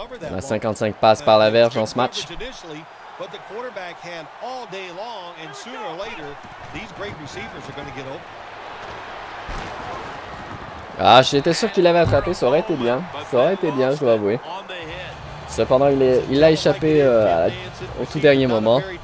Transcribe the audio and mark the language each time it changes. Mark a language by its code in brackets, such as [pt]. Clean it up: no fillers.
[fr] On a 55 passes par la verge dans ce match. [en] But the quarterback had all day long, and sooner or later, these great receivers are going to get open. [fr] Ah, j'étais sûr qu'il l'avait attrapé, ça aurait été bien. Ça aurait été bien, je dois avouer. Cependant, il a échappé au tout dernier moment.